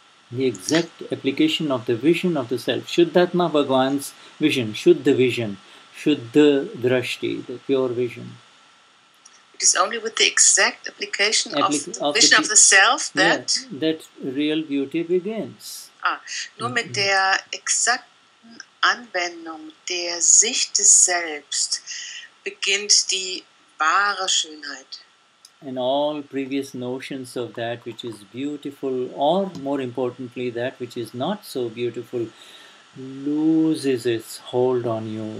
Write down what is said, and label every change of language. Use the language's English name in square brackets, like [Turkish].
[English] The exact application of the vision of the self, Shuddhatma Bhagwan's vision, Shuddha vision, Shuddha Drashti, the pure vision. It is only with the exact application of the vision of the self that real beauty begins. [German] Nur mit der exakten Anwendung der Sicht des Selbst beginnt die wahre Schönheit. [English] And all previous notions of that which is beautiful, or more importantly, that which is not so beautiful, loses its hold on you.